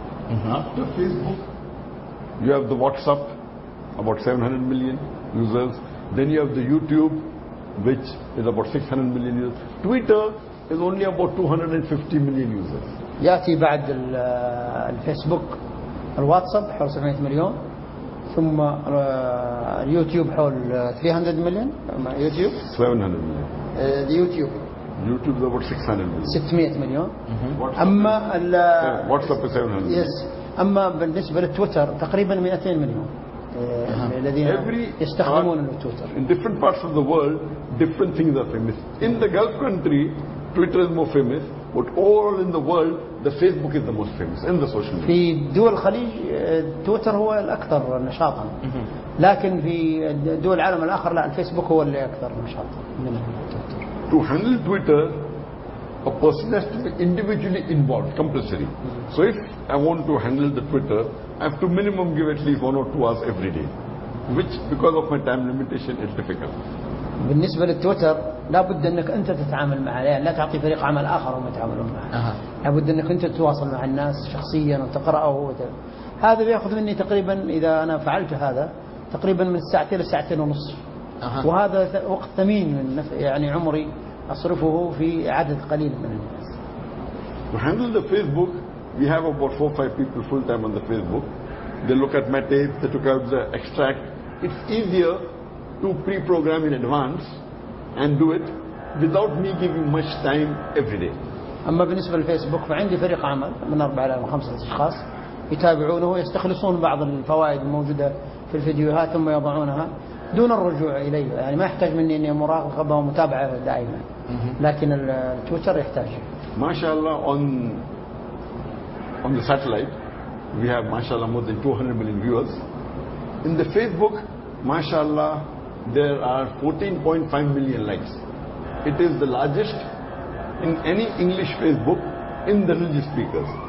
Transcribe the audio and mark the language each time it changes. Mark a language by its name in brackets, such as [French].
[English] After Facebook, you have the WhatsApp, about 700 million users. Then you have the YouTube, which is about 600 million users. Twitter is only about 250 million users. [Arabic] يأتي بعد الفيسبوك الواتساب حول 700 مليون ثم اليوتيوب حول 300 مليون. يوتيوب 700 مليون. اليوتيوب يوتيوب ذا بوت 600 مليون. اما الواتساب 700 [English] يس. [Arabic] اما بالنسبه للتويتر تقريبا 200 مليون الذين يستخدمون التويتر. [English] In different parts of the world different things are famous. In the Gulf country Twitter is more famous, but all in the world the Facebook is the most famous in the social media. [Arabic] في دول الخليج تويتر هو الاكثر نشاطا. لكن في دول العالم الاخر لا الفيسبوك هو اللي اكثر نشاطا من التويتر. [English] To handle Twitter a person has to be individually involved compulsory. So if I want to handle the Twitter I have to minimum give at least 1 or 2 hours every day, which because of my time limitation is difficult. [Arabic] بالنسبة للتويتر لا بد أنك أنت تتعامل معه لا تعطي فريق عمل آخر وما يتعاملون معه. لا بد أنك أنت تتواصل مع الناس شخصيا وتقرأه هذا بيأخذ مني تقريبا إذا أنا فعلت هذا تقريبا من 2 إلى 2.5 ساعة. وهذا وقت ثمين من يعني عمري أصرفه في عدد قليل من الناس. [English] To handle the Facebook we have about 4-5 people full time on the Facebook. They look at my tape, they took out the extract. It's easier to pre-program in advance and do it without me giving much time every day. [Arabic] أما بالنسبة للفيسبوك فعندي فريق عمل من 4 إلى 5 أشخاص يتابعونه ويستخلصون بعض الفوائد الموجودة في الفيديوهات ثم يضعونها دون الرجوع إلي. يعني ما يحتاج مني أني مراقبة ومتابعة دائما. لكن التويتر يحتاج. [English] ما شاء الله on the satellite we have ما شاء الله more than 200 million viewers. In the Facebook MashaAllah, there are 14.5 million likes. It is the largest in any English Facebook in the religious speakers.